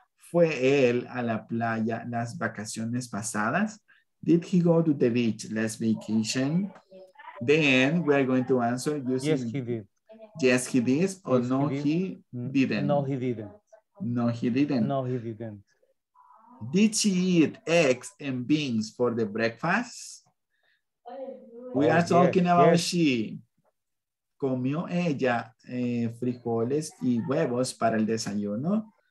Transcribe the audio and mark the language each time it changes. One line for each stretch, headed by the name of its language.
Spanish: ¿Fue él a la playa las vacaciones pasadas?
English: Did he go to the beach last vacation? Then we are going to answer using... Yes, he did. Yes, he did, or yes, no, he did. He didn't. No, he didn't. No, he didn't. No, he didn't. Did she eat eggs and beans for the breakfast? We are talking about she.
Spanish: ¿Comió ella frijoles y huevos para el desayuno?